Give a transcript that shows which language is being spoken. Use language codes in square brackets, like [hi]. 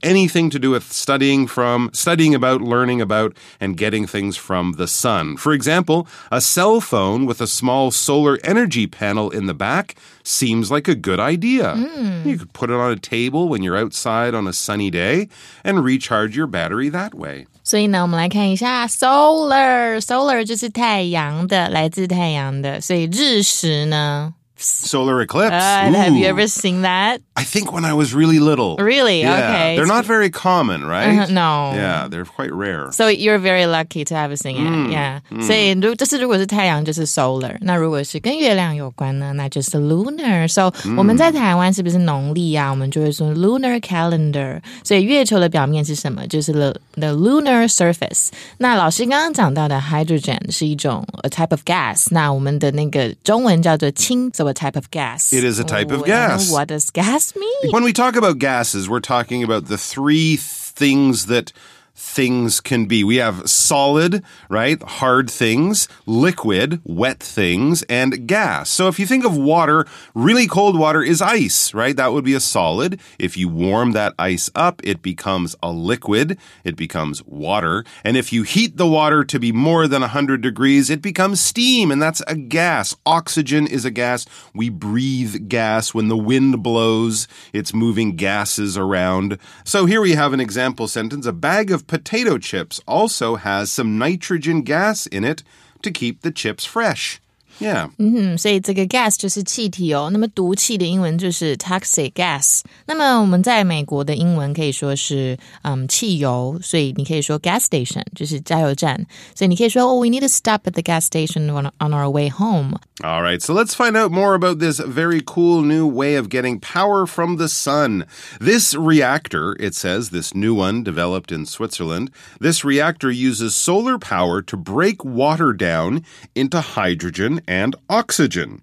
[en] Anything to do with studying about, learning about, and getting things from the sun. For example, a cell phone with a small solar energy panel in the back seems like a good idea. Mm. You could put it on a table when you're outside on a sunny day and recharge your battery that way. [zh] 所以呢，我们来看一下 solar. Solar 就是太阳的，来自太阳的。所以日食呢 [en] ？Solar eclipse. Have you ever seen that? I think when I was really little. Really? Yeah. Okay. They're not very common, right? No. Yeah, they're quite rare. So you're very lucky to have seen it. Yeah. [zh] 所以如果是太阳，就是 solar. 那如果是跟月亮有关呢，那就是 lunar. So 我们在台湾是不是农历啊？我们就会说 lunar calendar. 所以月球的表面是什么？就是 the lunar surface. 那老师刚刚讲到的 hydrogen 是一种 [en] a type of gas. [zh] 那我们的那个中文叫做氢 ， [en] so a type of gas. It is a type of gas. What is gas? When we talk about gases, we're talking about the three things that things can be. We have solid, right? Hard things, liquid, wet things, and gas. So if you think of water, really cold water is ice, right? That would be a solid. If you warm that ice up, it becomes a liquid. It becomes water. And if you heat the water to be more than 100 degrees, it becomes steam, and that's a gas. Oxygen is a gas. We breathe gas. When the wind blows, it's moving gases around. So here we have an example sentence. A bag of potato chips also has some nitrogen gas in it to keep the chips fresh. Yeah. [zh] 所以这个 gas 就是气体哦。那么毒气的英文就是 toxic gas。那么我们在美国的英文可以说是汽油，所以你可以说 gas station， 就是加油站。所以你可以说 [en] oh, we need to stop at the gas station on our way home. All right, so let's find out more about this very cool new way of getting power from the sun. This reactor, it says, this new one developed in Switzerland, this reactor uses solar power to break water down into hydrogen and oxygen.